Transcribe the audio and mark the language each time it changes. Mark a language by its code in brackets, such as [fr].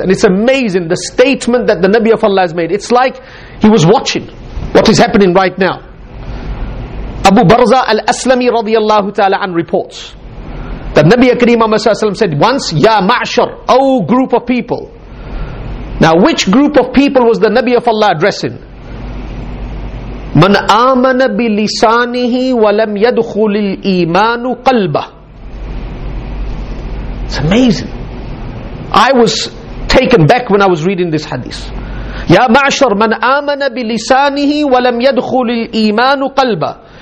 [en] And it's amazing the statement that the Nabi of Allah has made. It's like he was watching what is happening right now. Abu Barza al-Aslami radiallahu ta'ala an reports that Nabi Akrim al-Masa'a said once, Ya Ma'shar, O group of people. Now which group of people was the Nabi of Allah addressing? [ar] من آمن بلسانه ولم يدخل الإيمان قلبه. [en] It's amazing. I was taken back when I was reading this hadith. [ar] يا معشر من آمن بلسانه ولم يدخل الإيمان قلبه.